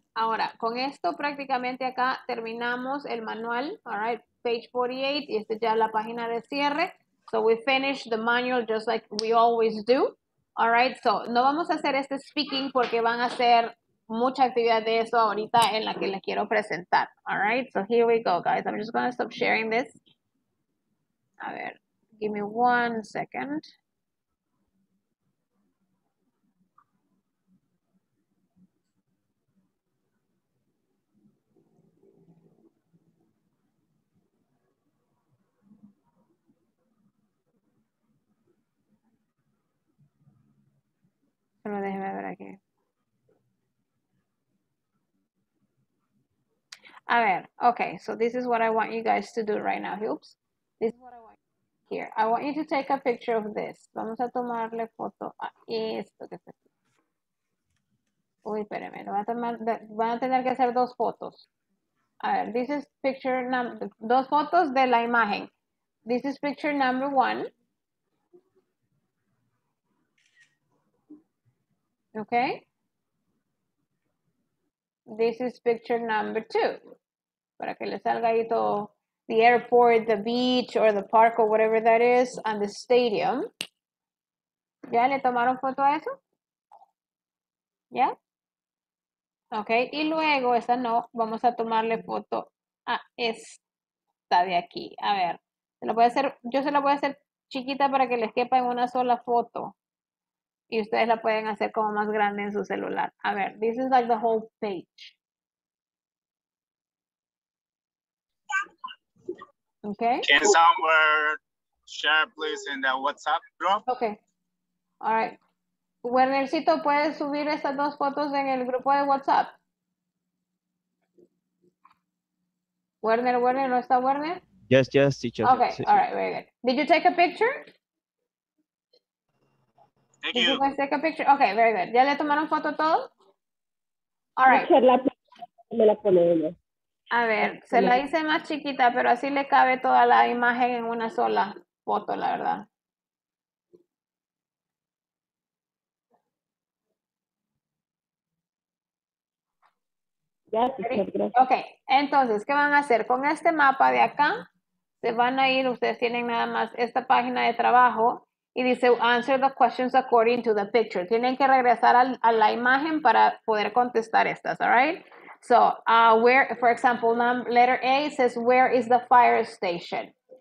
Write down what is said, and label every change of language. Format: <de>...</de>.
<es>Ahora, con esto prácticamente acá terminamos el manual, all right, page 48, y esta ya la página de cierre.</es> <en>So we finish the manual just like we always do.</en> <es>All right, so no vamos a hacer este speaking porque van a hacer mucha actividad de eso ahorita en la que les quiero presentar.</es> <en>All right, so here we go, guys. I'm just going to stop sharing this. A ver, give me one second.</en> <es>Pero déjeme ver aquí.</es> <en>A ver, okay, so this is what I want you guys to do right now. Oops, this is what I want here. I want you to take a picture of this.</en> <es>Vamos a tomarle foto a esto que está aquí. Uy, espérame, van a tener que hacer dos fotos. A ver, this is picture number, dos fotos de la imagen.</es> <en>This is picture number one. Okay. This is picture number two. Para que le salga ahí todo, the airport, the beach, or the park, or whatever that is, and the stadium.</en> <es>¿Ya le tomaron foto a eso? ¿Ya? Ok, y luego, esa no, vamos a tomarle foto a esta de aquí. A ver, se la voy a hacer chiquita para que les quepa en una sola foto. Y ustedes la pueden hacer como más grande en su celular.</es> <en>A ver, this is like the whole page. Okay. Can someone share, please, in the WhatsApp group? Okay. All right.</en> <es>Wernercito, ¿puedes subir estas dos fotos en el grupo de WhatsApp? Werner, ¿no está Werner?</es> <en>Yes, teacher. Okay, all right, very good. Did you take a picture? Thank you. Did you take a picture? Okay, very good. ¿Ya le tomaron foto todo? All</en> <es>right. Me la pone ella. A ver, se la hice más chiquita, pero así le cabe toda la imagen en una sola foto, la verdad. Ok, entonces, ¿qué van a hacer? Con este mapa de acá, se van a ir, ustedes tienen nada más esta página de trabajo, y dice, answer the questions according to the picture. Tienen que regresar a la imagen para poder contestar estas, ¿all right?</es> <en>So, where, for example, letter A says, where is the fire station?</en>